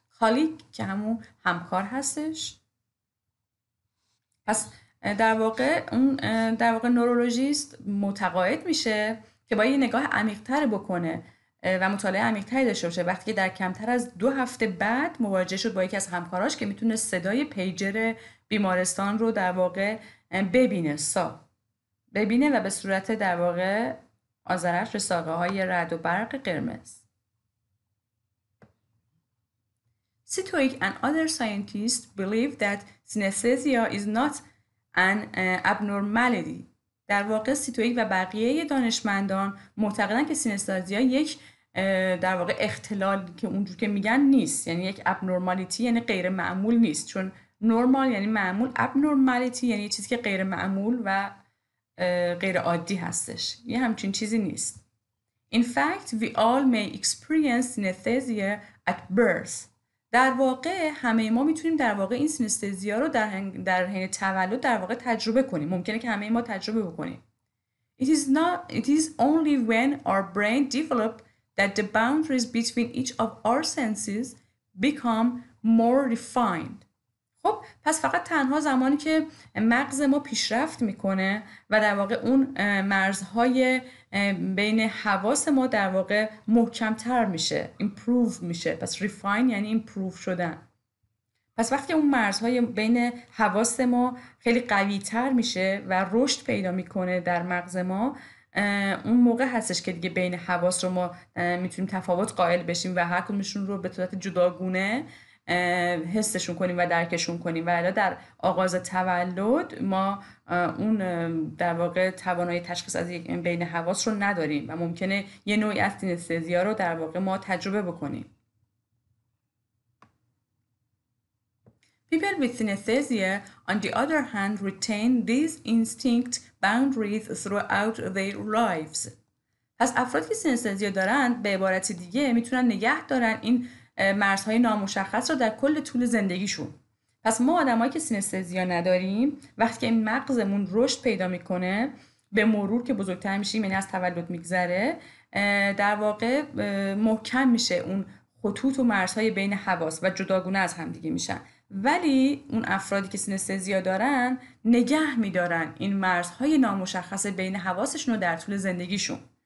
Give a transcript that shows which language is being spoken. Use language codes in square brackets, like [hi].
[fa] خالیگ که همون همکار هستش. پس در واقع اون در واقع نورولوژیست متقاعد میشه که باید یه نگاه عمیق‌تر بکنه و مطالعه عمیق‌تری داشته باشه وقتی که در کمتر از 2 هفته بعد مواجه شد با یکی از همکاراش که میتونه صدای پیجر بیمارستان رو در واقع ببینه، ببینه و به صورت در واقع آذرخش به ساقه های رد و برق قرمز. [en] Sitwick and other scientists believe that synesthesia is not an abnormality. [fa] در واقع سیتویک و بقیه دانشمندان معتقدن که سینستازیا یک در واقع اختلال که اونجور که میگن نیست، یعنی یک ابنورمالیتی یعنی غیر معمول نیست، چون نورمال یعنی معمول، ابنورمالیتی یعنی چیزی که غیر معمول و غیر عادی هستش، یه همچین چیزی نیست. [en] In fact we all may experience synesthesia at birth. [fa] در واقع همه ما میتونیم در واقع این سینستزیا رو در حین تولد در واقع تجربه کنیم، ممکنه که همه ما تجربه بکنیم. [en] It is only when our brain develop that the boundaries between each of our senses become more refined. [fa] خب پس فقط تنها زمانی که مغز ما پیشرفت میکنه و در واقع اون مرزهای بین حواس ما در واقع محکمتر میشه، improve میشه، پس refine یعنی improve شدن. پس وقتی اون مرزهای بین حواس ما خیلی قویتر میشه و رشد پیدا میکنه در مغز ما، اون موقع هستش که دیگه بین حواس رو ما میتونیم تفاوت قائل بشیم و هر کدومشون رو به صورت جداگونه حسشون کنیم و درکشون کنیم، و الان در آغاز تولد ما اون در واقع توانای تشخیص از بین حواس رو نداریم و ممکنه یه نوعی از سینستزیا رو در واقع ما تجربه بکنیم. [en] People with synesthesia on the other hand retain these instinct boundaries throughout their lives. [fa] پس افرادی که سینستزیا دارن به عبارت دیگه میتونن نگه دارن این مرزهای نامشخص رو در کل طول زندگیشون. پس ما آدمایی که سینستزیا نداریم وقتی که مغزمون رشد پیدا میکنه به مرور که بزرگتر میشیم، یعنی از تولد میگذره، در واقع محکم میشه اون خطوط و مرزهای بین حواس و جداگونه از هم دیگه میشن، ولی اون افرادی که سینستزیا دارن نگه میدارن این مرزهای نامشخص بین حواسشون رو در طول زندگیشون.